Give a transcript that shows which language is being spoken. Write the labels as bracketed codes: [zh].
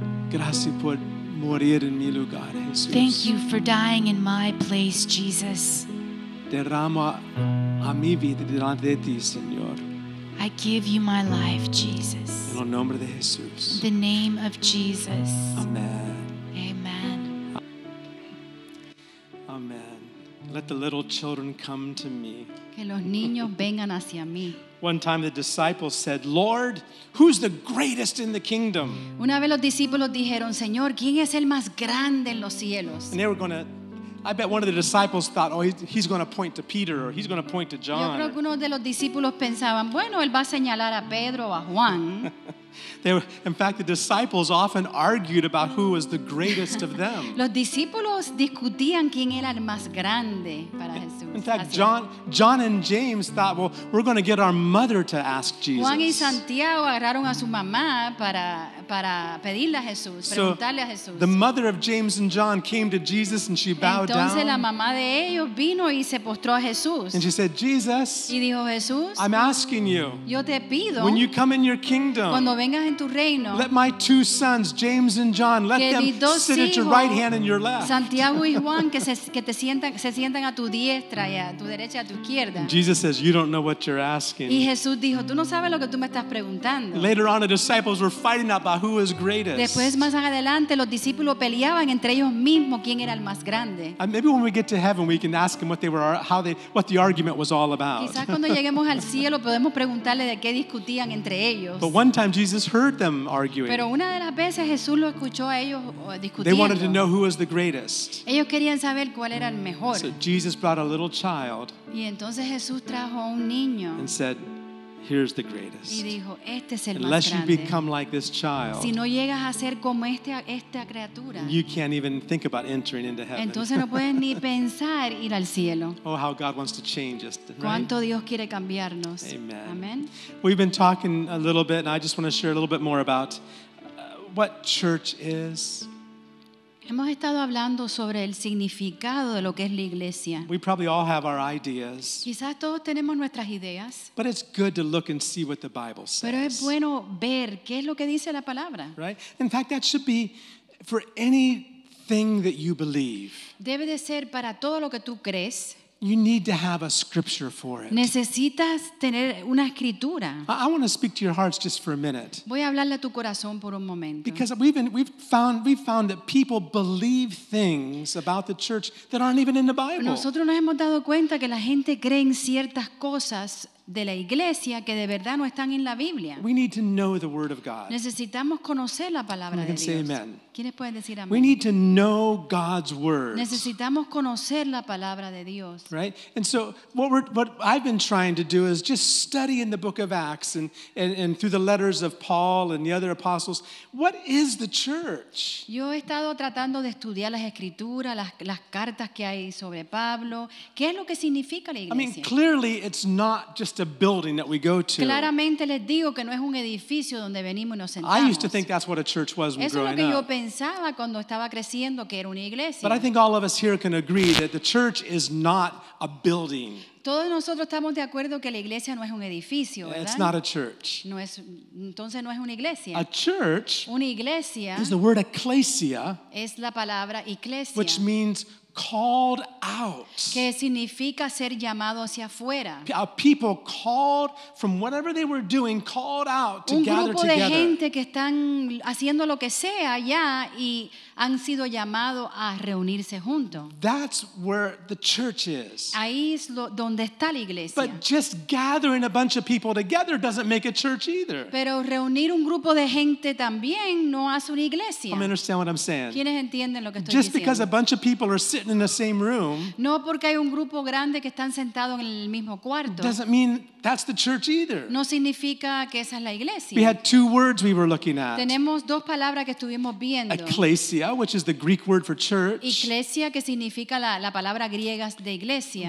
[es] Gracias por morir en mi lugar, Jesús. [en] Thank you for dying in my place, Jesus. [es] Derramo a mi vida delante de ti, Señor. [en] I give you my life, Jesus. [es] En el nombre de Jesús. [en] In the name of Jesus. Amen. Amen. Amen. Let the little children come to me. [es] Que los niños vengan hacia mí. [en] One time the disciples said, "Lord, who's the greatest in the kingdom?" [es] Una vez los discípulos dijeron, "Señor, ¿quién es el más grande en los cielos?" [en] And they were going to I bet one of the disciples thought, "Oh, he's going to point to Peter, or he's going to point to John." [es] Yo creo que uno de los discípulos pensaban, bueno, él va a señalar a Pedro o a Juan. [en] In fact, the disciples often argued about who was the greatest of them. [es] Los discípulos discutían quién era el más grande para Jesús. [en] In fact, John and James thought, "Well, we're going to get our mother to ask Jesus." [es] Juan y Santiago agarraron a su mamá para pedirle a Jesús, preguntarle a Jesús. [en] So the mother of James and John came to Jesus and she bowed down. [es] Entonces la mamá de ellos vino y se postró a Jesús. [en] And she said, "Jesus, [es] y dijo, Jesús, [en] I'm asking you. [es] Yo te pido. [en] When you come in your kingdom." [es] Cuando vengas en tu reino, [en] let my two sons, James and John, let them sit [es] hijos, [en] at your right hand and your left. [es] Santiago y Juan, que se sientan a tu diestra y a tu derecha y a tu izquierda. [en] And Jesus says, "You don't know what you're asking." [es] Y Jesús dijo, "Tú no sabes lo que tú me estás preguntando." [en] Later on, the disciples were fighting about who was greatest. [es] Después, más adelante, los discípulos peleaban entre ellos mismos quién era el más grande. [en] And maybe when we get to heaven, we can ask them what the argument was all about. [es] Quizás cuando lleguemos al cielo podemos preguntarle de qué discutían entre ellos. [en] But one time, Jesus heard them arguing. [es] Pero una de las veces Jesús lo escuchó a ellos discutiendo. [en] They wanted to know who was the greatest. [es] Ellos querían saber cuál era el mejor. [en] So Jesus brought a little child. [es] Y entonces Jesús trajo un niño. [en] And said, "Here's the greatest." [es] Y dijo, este es el [en] unless [es] más grande. [en] You become like this child, [es] si no llegas a ser como esta criatura, [en] you can't even think about entering into heaven. [es] Entonces no puedes ni pensar ir al cielo. [en] Oh, how God wants to change us! Right? [es] Cuánto Dios quiere cambiarnos. Amen. Amen. [en] We've been talking a little bit, and I just want to share a little bit more about what church is. [es] Hemos estado hablando sobre el significado de lo que es la iglesia. [en] We probably all have our ideas. [es] Quizás todos tenemos nuestras ideas. [en] But it's good to look and see what the Bible says. [es] Pero es bueno ver qué es lo que dice la palabra. [en] Right? In fact, that should be for anything that you believe. [es] Debe de ser para todo lo que tú crees. [en] You need to have a scripture for it. [es] Necesitas tener una escritura. [en] I want to speak to your hearts just for a minute. [es] Voy a hablarle a tu corazón por un momento. [en] Because we've found that people believe things about the church that aren't even in the Bible. [es] Nosotros nos hemos dado cuenta que la gente cree en ciertas cosas de la iglesia que de verdad no están en la Biblia. [en] We need to know the word of God. [es] Necesitamos conocer la palabra de Dios. [en] Amen. [es] ¿Quiénes pueden decir amén? [en] We need to know God's word. [es] Necesitamos conocer la palabra de Dios. [en] Right? And so what I've been trying to do is just study in the book of Acts and through the letters of Paul and the other apostles, what is the church? [es] Yo he estado tratando de estudiar las escrituras, las cartas que hay sobre Pablo, ¿qué es lo que significa la iglesia? [en] I mean, clearly it's not just a building that we go to. [es] Claramente les digo que no es un edificio donde venimos y nos sentamos. [en] I used to think that's what a church was when growing up. [es] Pensaba cuando estaba creciendo que era una iglesia. [en] But I think all of us here can agree that the church is not a building. [es] Todos nosotros estamos de acuerdo que la iglesia no es un edificio, ¿verdad? [en] It's not a church. [es] No es, entonces no es una iglesia. [en] A church, [es] una iglesia, [en] is the word ecclesia, [es] es la palabra iglesia, [en] which means called out. [es] ¿Qué significa ser llamado hacia afuera? [en] A people called from whatever they were doing, called out to gather together. [es] Un grupo de gente que están haciendo lo que sea allá y han sido llamados a reunirse juntos. [en] That's where the church is. [es] Ahí es donde está la iglesia. [en] But just gathering a bunch of people together doesn't make a church either. [es] Pero reunir un grupo de gente también no hace una iglesia. [en] I'm understanding what I'm saying. [es] ¿Quiénes entienden lo que estoy [en] just [es] diciendo? [en] Just because a bunch of people are sitting in the same room, [es] no porque hay un grupo grande que están sentados en el mismo cuarto, [en] doesn't mean that's the church either. [es] No significa que esa es la iglesia. [en] We had two words we were looking at. [es] Tenemos dos palabras que estuvimos viendo. [en] Ecclesia, which is the Greek word for church. [es] Iglesia, que significa la palabra griega de iglesia.